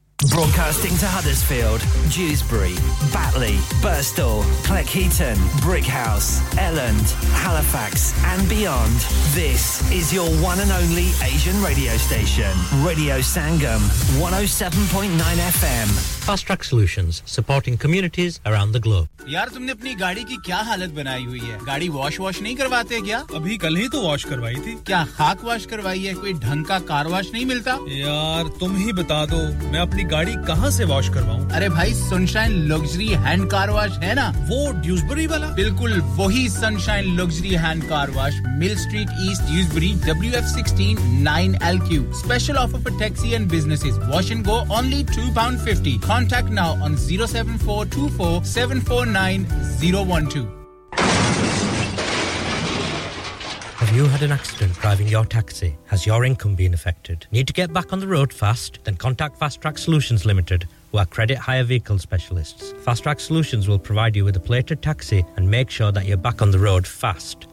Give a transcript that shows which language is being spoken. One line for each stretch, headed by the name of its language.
English: Broadcasting to Huddersfield, Dewsbury, Batley, Birstall, Cleckheaton, Brickhouse, Elland, Halifax and beyond. This is your one and only Asian radio station. Radio Sangam, 107.9 FM. Fast Track Solutions, supporting communities around the globe.
Hindi: यार तुमने अपनी गाड़ी की क्या हालत बनाई हुई है गाड़ी वॉश वॉश नहीं करवाते क्या अभी कल ही तो वॉश करवाई थी क्या खाक वॉश करवाई है कोई ढंग का कार वॉश नहीं मिलता यार तुम ही बता दो मैं अपनी गाड़ी कहां से वॉश करवाऊं अरे भाई sunshine luxury hand car wash है ना वो ड्यूसबरी वाला बिल्कुल वही
English: Sunshine Luxury Hand Car Wash Mill Street East Dewsbury WF16 9LQ special offer for taxi and businesses wash and go only £2.50 contact now on 07424 9012. Have you had an accident driving your taxi? Has your income been affected? Need to get back on the road fast? Then contact Fast Track Solutions Limited, who are credit hire vehicle specialists. Fast Track Solutions will provide you with a plated taxi and make sure that you're back on the road fast.